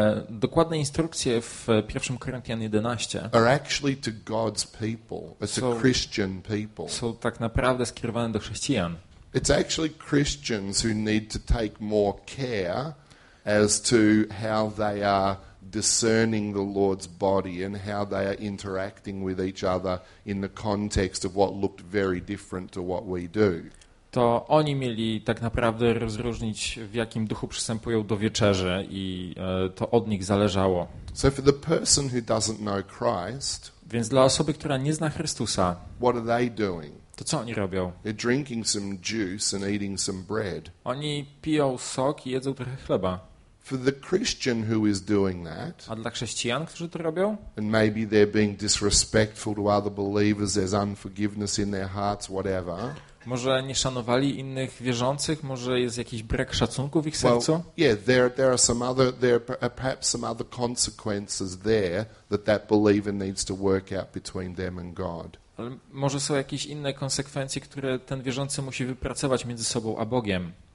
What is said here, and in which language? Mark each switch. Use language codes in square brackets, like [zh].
[pl] Dokładne instrukcje w 1 Koryntian 11 [en] are actually to God's people, to Christian people. [pl] Są tak naprawdę skierowane do chrześcijan. [en] It's actually Christians who need to take more care as to how they are discerning the Lord's body and how they are interacting with each other in the context of what looked very different to what we do. [pl] To oni mieli tak naprawdę rozróżnić, w jakim duchu przystępują do wieczerzy, i to od nich zależało. [en] So for the person who doesn't know Christ, [pl] więc dla osoby, która nie zna Chrystusa, [en] what are they doing? [pl] To co oni robią? [en] They're drinking some juice and eating some bread. [pl] Oni piją sok i jedzą trochę chleba. [en] For the Christian who is doing that, [pl] a dla chrześcijan, którzy to robią, [en] and maybe they're being disrespectful to other believers, there's unforgiveness in their hearts, whatever. [pl] Może nie szanowali innych wierzących, może jest jakiś brak szacunku w ich sercu? [en] Well, yeah, there are perhaps some other consequences there that believer needs to work out between them and God. [pl] Ale może są jakieś inne konsekwencje, które ten wierzący musi wypracować między sobą a Bogiem.